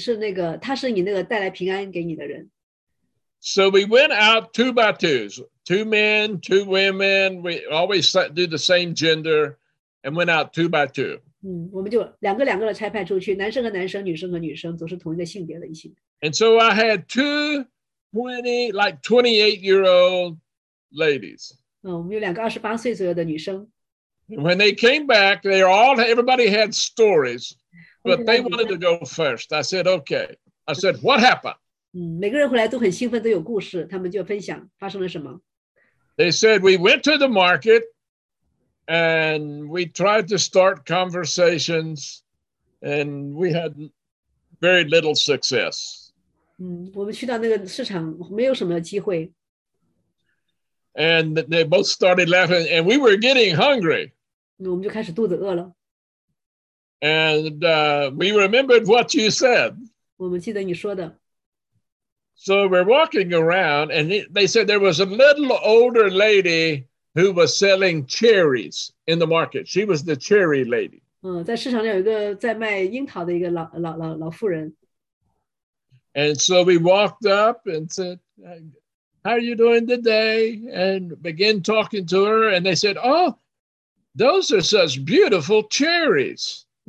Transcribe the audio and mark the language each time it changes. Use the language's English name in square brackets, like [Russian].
[Chinese] 如果他们让他们来服侍你，所以你是那个，他是你那个带来平安给你的人。 [English] So we went out two by twos, two men, two women. We always do the same gender and went out two by two. [Chinese] 我们就两个两个的拆派出去，男生和男生，女生和女生，都是同一个性别的一起。 [English] And so I had two 28-year-old ladies. [Chinese] 我们有两个28岁左右的女生。 [English] When they came back, everybody had stories, but they wanted to go first. I said, okay. I said, what happened? [Chinese] 每个人回来都很兴奋，都有故事，他们就分享发生了什么。 [English] They said, we went to the market, and we tried to start conversations, and we had very little success. [Chinese] 我们去到那个市场，没有什么机会。 [English] And they both started laughing, and we were getting hungry. [Chinese] 我们就开始肚子饿了。 [English] And we remembered what you said. [Chinese] 我们记得你说的。 [English] So we're walking around, and they said there was a little older lady who was selling cherries in the market. She was the cherry lady. [Chinese] 在市场上有一个在卖樱桃的一个老妇人。 [English] And so we walked up and said, how are you doing today? And began talking to her, and they said, oh, those are such beautiful cherries.